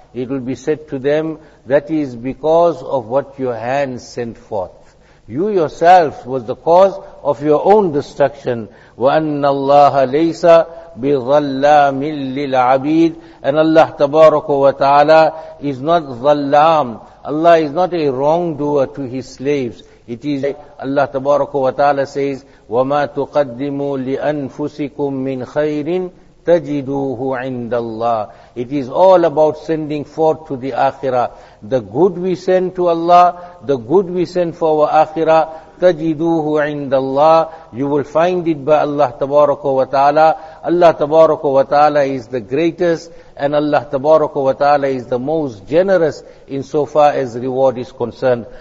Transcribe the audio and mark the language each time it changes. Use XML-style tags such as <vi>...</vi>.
<en>It will be said to them, that is because of what your hands sent forth. You yourself was the cause of your own destruction.</en> <ar>وَأَنَّ اللَّهَ لَيْسَ بِظَلَّامٍ لِلْعَبِيدِ.</ar> <en>And Allah Tabaraka wa Ta'ala is not ظَلَّام. Allah is not a wrongdoer to His slaves. It is Allah Tabaraka wa Ta'ala says,</en> <ar>وَمَا تُقَدِّمُوا لِأَنفُسِكُم مِّنْ خَيْرٍ تَجِدُوهُ عِنْدَ اللَّهِ.</ar> <en>It is all about sending forth to the Akhirah. The good we send to Allah, the good we send for our Akhirah,</en> <ar>تَجِدُوهُ عِنْدَ اللَّهِ.</ar> <en>You will find it by Allah Tabaraka wa Ta'ala. Allah Tabaraka wa Ta'ala is the greatest, and Allah Tabaraka wa Ta'ala is the most generous in so far as reward is concerned.</en>